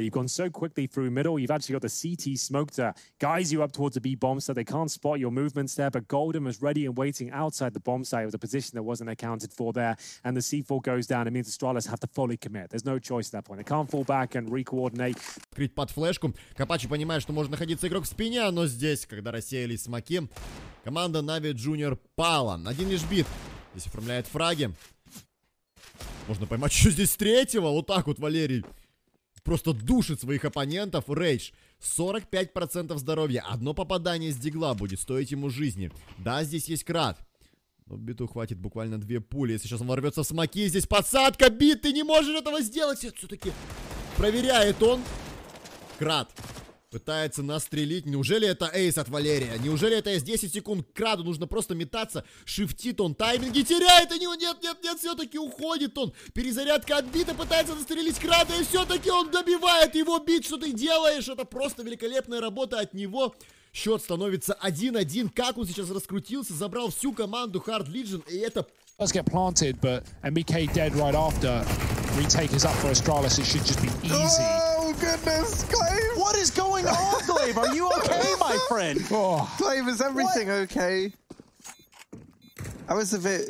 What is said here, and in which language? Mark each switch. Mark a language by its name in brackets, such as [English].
[English] You've gone so quickly through middle. You've actually got the CT smoke to guise you up towards the B bomb so they can't spot your movements there. But Golden was ready and waiting outside the bomb site. It was a position that wasn't accounted for there. And the C4 goes down. It means Astralis have to fully commit. There's no choice at that point. They can't fall back and re-coordinate. [Russian] Открыть под флешку. Копачи понимает, что может находиться игрок в спине, но здесь, когда рассеялись смоки, команда Na'Vi Junior пала. Один лишь бит. Здесь оформляет фраги. Можно поймать еще здесь третьего. Вот так вот Валерий просто душит своих оппонентов. Рейдж. 45% здоровья. Одно попадание с дигла будет стоить ему жизни. Да, здесь есть крат. Но биту хватит буквально две пули. Если сейчас он ворвется в смоки. Здесь подсадка. Бит, ты не можешь этого сделать. Все-таки проверяет он. Крат. Пытается настрелить. Неужели это эйс от Валерия? Неужели это эйс? 10 секунд к краду. Нужно просто метаться. Шифтит он. Тайминги теряет. И не... Нет, нет, нет. Все-таки уходит он. Перезарядка отбита. Пытается застрелить крада. И все-таки он добивает его бит. Что ты делаешь? Это просто великолепная работа от него. Счет становится 1-1. Как он сейчас раскрутился. Забрал всю команду Hard Legion. И это... [English] Let's get planted, but MBK dead right after. Retake is up for Astralis. It should just be easy. Oh, goodness, Glaive! What is going on, Glaive? Are you okay, my friend? Oh. Glaive, is everything what? Okay? I was a bit...